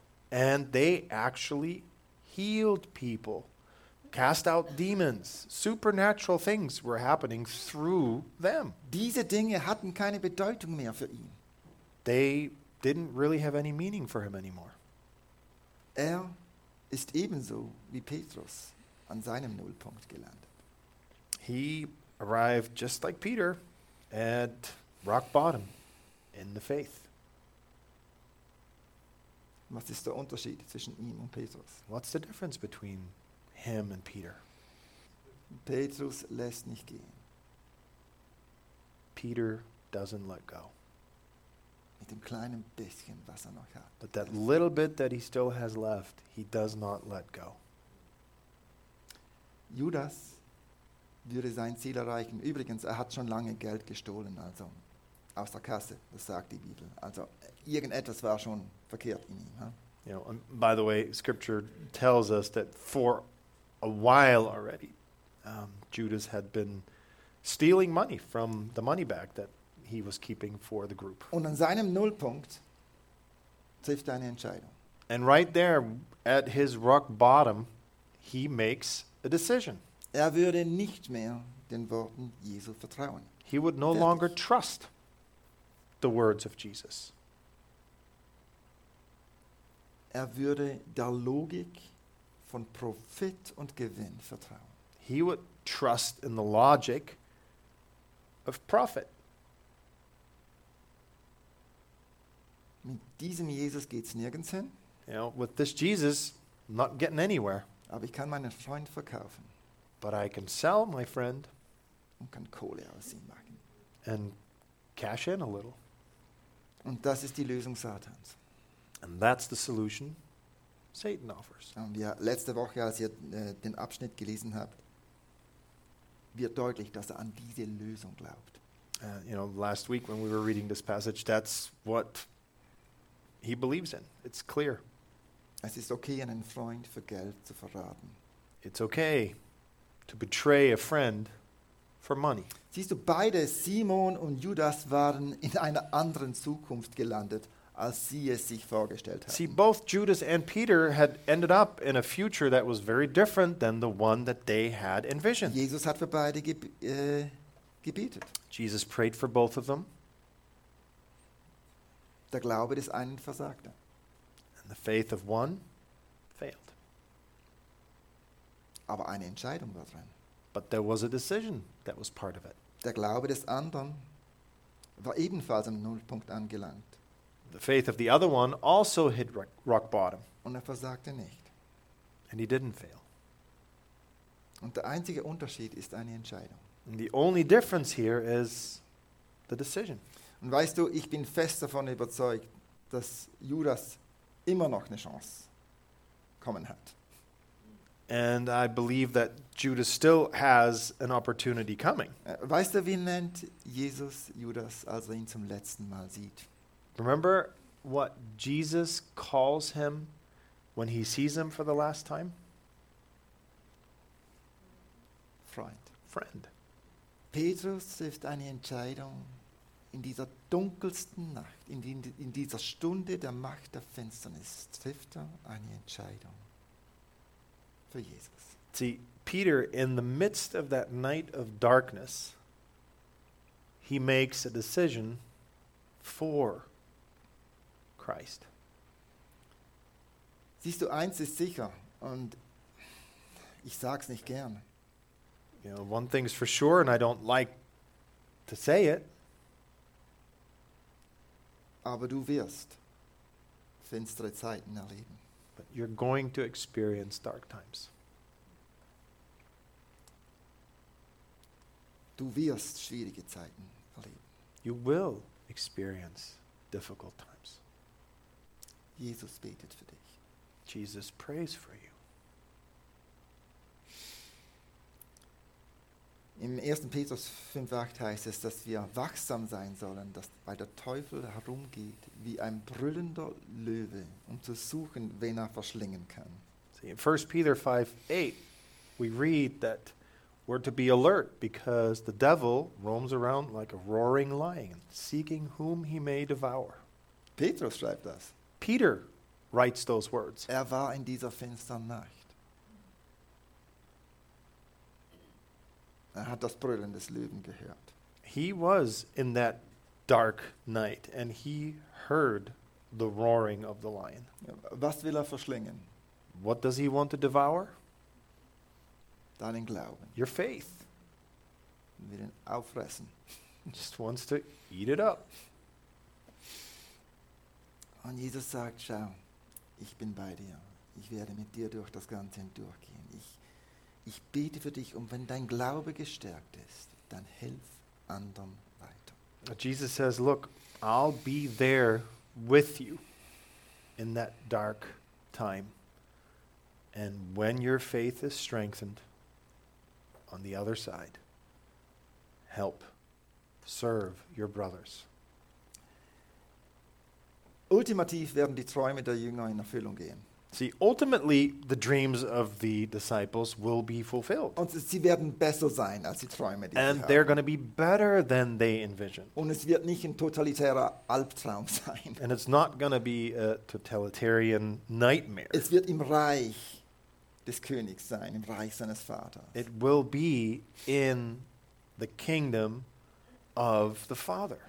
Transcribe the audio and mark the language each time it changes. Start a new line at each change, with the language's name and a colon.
English: And they actually healed people, cast out demons. Supernatural things were happening through them.
German: Diese Dinge hatten keine Bedeutung mehr für ihn.
English: They didn't really have any meaning for him anymore.
German: Er ist ebenso wie Petrus an seinem Nullpunkt gelandet.
English: He arrived just like Peter at rock bottom in the faith.
German: Was ist der Unterschied zwischen ihm und Petrus?
English: What's the difference between him and Peter?
German: Petrus lässt nicht gehen.
English: Peter doesn't let go.
German: Mit dem kleinen bisschen, was er noch hat.
English: But that little bit that he still has left, he does not let go.
German: Judas würde sein Ziel erreichen. Übrigens, er hat schon lange Geld gestohlen, also aus der Kasse, das sagt die Bibel. Also irgendetwas war schon verkehrt in ihm. Huh?
English: You know, and by the way, Scripture tells us that for a while already, Judas had been stealing money from the money bag that he was keeping for the group.
German: Und an seinem Nullpunkt trifft er eine Entscheidung.
English: And right there, at his rock bottom, he makes a decision.
German: Er würde nicht mehr den Worten Jesu vertrauen.
English: He would no longer trust the words of Jesus.
German: Er würde der Logik von Profit und Gewinn vertrauen.
English: He would trust in the logic of profit.
German: Mit diesem Jesus geht's nirgends hin.
English: You know, with this Jesus, not getting anywhere.
German: Aber ich kann meinen Freund verkaufen.
English: But I can sell my friend.
German: Und kann Kohle aus ihm machen.
English: And cash in a little.
German: Und das ist die Lösung Satans.
English: And that's the solution Satan offers.
German: Und ja, letzte Woche, als ihr den Abschnitt gelesen habt, wird deutlich, dass er an diese Lösung glaubt.
English: You know, last week when we were reading this passage, that's what he believes in. It's clear.
German: Es ist okay, einen Freund für Geld zu verraten.
English: It's okay to betray a friend for money.
German: Siehst du, beide, Simon und Judas, waren in einer anderen Zukunft gelandet, als sie es sich vorgestellt hatten.
English: See, both Judas and Peter had ended up in a future that was very different than the one that they had envisioned.
German: Jesus hat für beide gebetet.
English: Jesus prayed for both of them.
German: Der Glaube des einen versagte.
English: And the faith of one failed.
German: Aber eine Entscheidung war drin.
English: But there was a decision that was part of it.
German: Der Glaube des anderen war ebenfalls am Nullpunkt angelangt.
English: The faith of the other one also hit rock bottom.
German: Und er versagte nicht.
English: And he didn't fail.
German: Und der einzige Unterschied ist eine Entscheidung.
English: And the only difference here is the decision.
German: Und weißt du, ich bin fest davon überzeugt, dass Judas immer noch eine Chance kommen hat.
English: And I believe that Judas still has an opportunity coming.
German: Weißt du, wie nennt Jesus Judas, als er ihn zum letzten Mal sieht?
English: Remember what Jesus calls him when he sees him for the last time?
German: Freund.
English: Friend.
German: Petrus trifft eine Entscheidung in dieser dunkelsten Nacht, in dieser Stunde der Macht der Finsternis, trifft er eine Entscheidung für Jesus.
English: See, Peter, in the midst of that night of darkness, he makes a decision for Christ.
German: Siehst du, eins ist sicher und ich sag's nicht gern.
English: You know, one thing's for sure and I don't like to say it.
German: Aber du wirst finstere Zeiten erleben.
English: But you're going to experience dark times.
German: Du wirst schwierige Zeiten erleben.
English: You will experience difficult times.
German: Jesus betet für dich.
English: Jesus prays for you.
German: Im 1. Petrus 5,8 heißt es, dass wir wachsam sein sollen, dass weil der Teufel herumgeht wie ein brüllender Löwe, um zu suchen, wen er verschlingen kann.
English: See, in 1 Peter 5,8, we read that we're to be alert because the devil roams around like a roaring lion, seeking whom he may devour.
German: Petrus schreibt das.
English: Peter writes those words.
German: Er war in dieser finsteren Nacht. Er hat das Brüllen des Löwen gehört.
English: He was in that dark night and he heard the roaring of the lion.
German: Was will er verschlingen?
English: What does he want to devour?
German: Deinen Glauben.
English: Your faith.
German: Will ihn auffressen.
English: Just wants to eat it up.
German: Und Jesus sagt, schau, ich bin bei dir. Ich werde mit dir durch das Ganze hindurchgehen. Ich bete für dich, und wenn dein Glaube gestärkt ist, dann hilf anderen weiter.
English: Jesus says, look, I'll be there with you in that dark time. And when your faith is strengthened on the other side, help, serve your brothers.
German: Ultimativ werden die Träume der Jünger in Erfüllung gehen.
English: See, ultimately, the dreams of the disciples will be fulfilled.
German: Und sie werden besser sein als die Träume, die sie haben.
English: And they're going to be better than they envisioned.
German: Und es wird nicht ein totalitärer Albtraum sein.
English: And it's not going to be a totalitarian nightmare.
German: Es wird im Reich des Königs sein, im Reich seines Vaters.
English: It will be in the kingdom of the Father.